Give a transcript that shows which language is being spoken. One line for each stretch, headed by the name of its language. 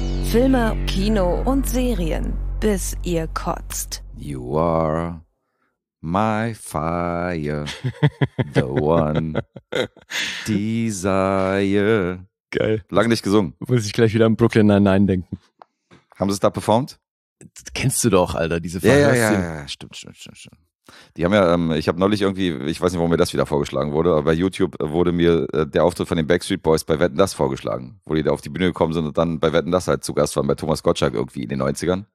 German: Filme, Kino und Serien, bis ihr kotzt.
English: You are my fire, the one desire.
German: Geil. Lange nicht gesungen. Muss ich gleich wieder an Brooklyn Nine-Nine denken. Haben sie es da performt? Das kennst du doch, Alter, diese Fantasie. Ja, stimmt. Die haben ja, ich habe neulich irgendwie, ich weiß nicht, warum mir das wieder vorgeschlagen wurde, aber bei YouTube wurde mir der Auftritt von den Backstreet Boys bei Wetten, dass vorgeschlagen, wo die da auf die Bühne gekommen sind und dann bei Wetten, dass halt zu Gast waren, bei Thomas Gottschalk irgendwie in den 90ern.